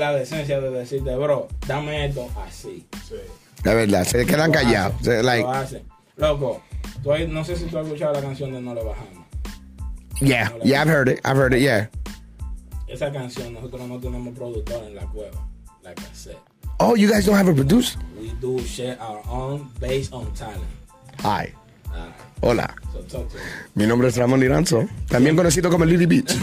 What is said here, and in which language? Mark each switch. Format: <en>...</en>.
<es>la decencia de decirte, bro, dame esto así. Sí. La verdad, se quedan callados. Loco. No sé si tú has escuchado la canción de No Le Bajamos.</es> <en>I've heard it.</en> <es>Esa canción, nosotros no tenemos productor en la cueva, la cassette.</es> <en>Oh, you guys don't have a producer? We do share our own based on talent. Hi. Hola.</en> <es>Mi nombre es Ramón Liranzo, también conocido como Lily Beats.</es>